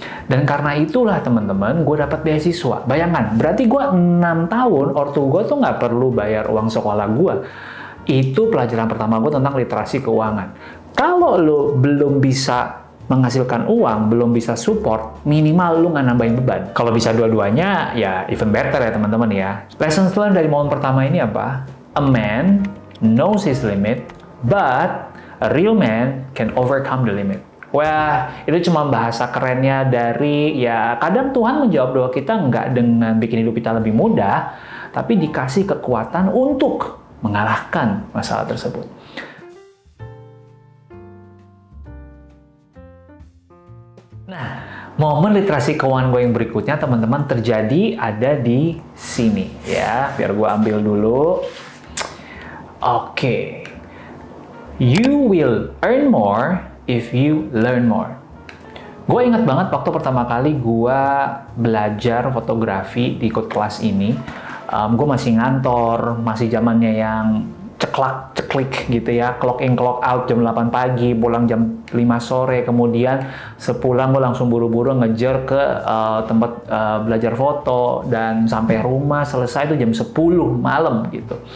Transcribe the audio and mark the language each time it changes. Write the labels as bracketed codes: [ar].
[id] Dan karena itulah teman-teman, gua dapat beasiswa. Bayangkan, berarti gua 6 tahun ortu gua tuh nggak perlu bayar uang sekolah gua. Itu pelajaran pertama gua tentang literasi keuangan. Kalau lu belum bisa menghasilkan uang, belum bisa support, minimal lu nggak nambahin beban. Kalau bisa dua-duanya, ya even better ya teman-teman ya. Lessons learned dari momen pertama ini apa? [en] A man knows his limit, but a real man can overcome the limit. [id] Wah, itu cuma bahasa kerennya dari, ya kadang Tuhan menjawab doa kita nggak dengan bikin hidup kita lebih mudah, tapi dikasih kekuatan untuk mengalahkan masalah tersebut. Nah, momen literasi keuangan gue yang berikutnya teman-teman terjadi ada di sini. Ya, biar gue ambil dulu. Oke. [en] You will earn more if you learn more. [id] Gua ingat banget waktu pertama kali gua belajar fotografi di ikut kelas ini. Gua masih ngantor, masih zamannya yang ceklak ceklik gitu ya, clock in clock out jam 8 pagi, pulang jam 5 sore, kemudian sepulang gue langsung buru-buru ngejar ke tempat belajar foto, dan sampai rumah selesai itu jam 10 malam gitu.